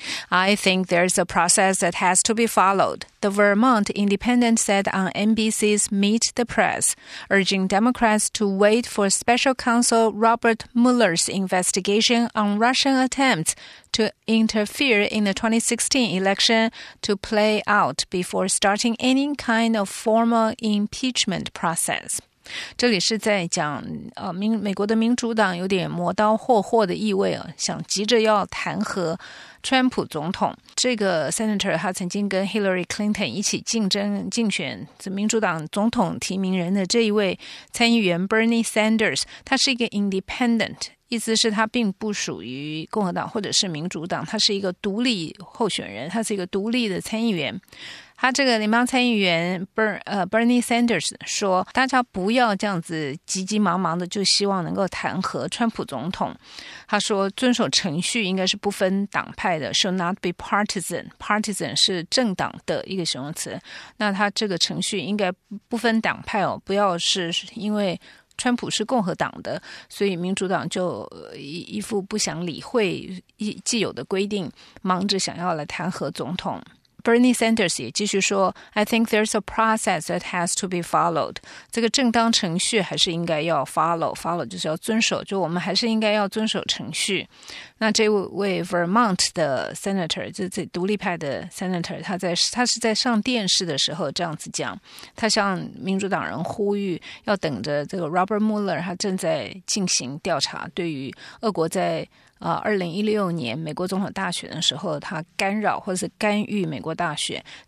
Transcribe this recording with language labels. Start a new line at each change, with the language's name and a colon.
English: I think there's a process that has to be followed, the Vermont Independent said on NBC's Meet the Press, urging Democrats to wait for special counsel Robert Mueller's investigation on Russian attempts to interfere in the 2016 election to play out before starting any kind of formal impeachment process.
Chinese: 这里是在讲美国的民主党有点磨刀霍霍的意味，想急着要弹劾川普总统。这个 Senator 他曾经跟 Hillary Clinton 一起竞选民主党总统提名人的这一位参议员 Bernie Sanders, 他是一个 independent, 意思是他并不属于共和党或者是民主党，他是一个独立候选人，他是一个独立的参议员。他这个联邦参议员 Bernie Sanders 说大家不要这样子急急忙忙的就希望能够弹劾川普总统。他说遵守程序应该是不分党派的
English: should not be partisan.
Chinese: Partisan 是政党的一个形容词。那他这个程序应该不分党派哦，不要是因为川普是共和党的，所以民主党就一副不想理会既有的规定，忙着想要来弹劾总统。
English: Bernie Sanders
Chinese: 也继续说
English: I think there's a process that has to be followed.
Chinese: 这个正当程序还是应该要 follow. Follow 就是要遵守，就我们还是应该要遵守程序。那这位 Vermont 的 Senator, 就这独立派的 Senator, 他是在上电视的时候这样子讲，他向民主党人呼吁要等着这个 Robert Mueller, 他正在进行调查，对于俄国在2016年美国总统大选的时候他干扰或是干预美国大选